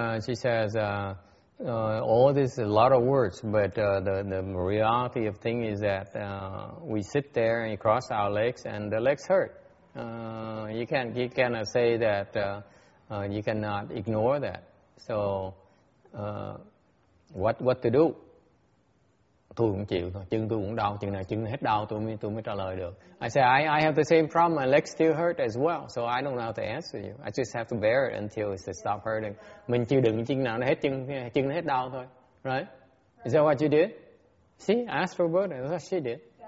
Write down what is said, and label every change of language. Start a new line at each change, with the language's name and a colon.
English: She says, all this is a lot of words, but the reality of thing is that we sit there and you cross our legs and the legs hurt. You cannot say that you cannot ignore that. So what to do?
Vietnamese: Tôi cũng chịu thôi, chân tôi cũng đau, chừng nào chân hết đau tôi mới trả lời được.
English: I say I have the same problem, my legs still hurt as well, so I don't know how to answer you. I just have to bear it until it stops hurting.
Vietnamese: Mình chịu đựng chừng nào nó hết chân nó hết đau thôi.
English: Right? Is that what you did? See, I asked Roberta, that's what she did.